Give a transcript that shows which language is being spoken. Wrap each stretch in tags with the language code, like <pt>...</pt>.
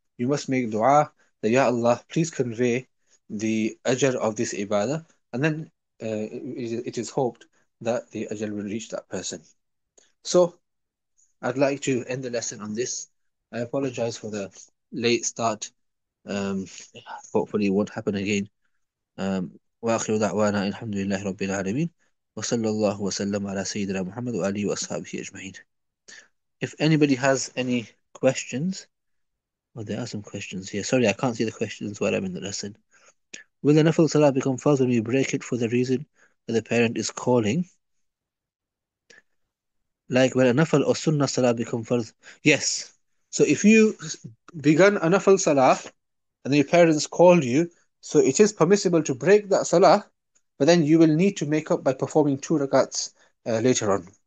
<en>You must make dua that Ya Allah, please convey the ajr of this ibadah, and then it is hoped that the ajr will reach that person. So I'd like to end the lesson on this. I apologize for the late start. Hopefully it won't happen again.</en> <ar>وآخر دعوانا ان الحمد لله رب العالمين وصلى الله وسلم على سيدنا محمد وآله وأصحابه أجمعين.</ar> <en>If anybody has any questions, well, there are some questions here. Sorry, I can't see the questions while I'm in the lesson. Will the Nafl Salah become fard when we break it for the reason that the parent is calling? Like, will a Nafl or Sunnah Salah become fard? Yes. So if you begun a Nafl Salah and your parents called you, so it is permissible to break that Salah, but then you will need to make up by performing two rakats later on.</en>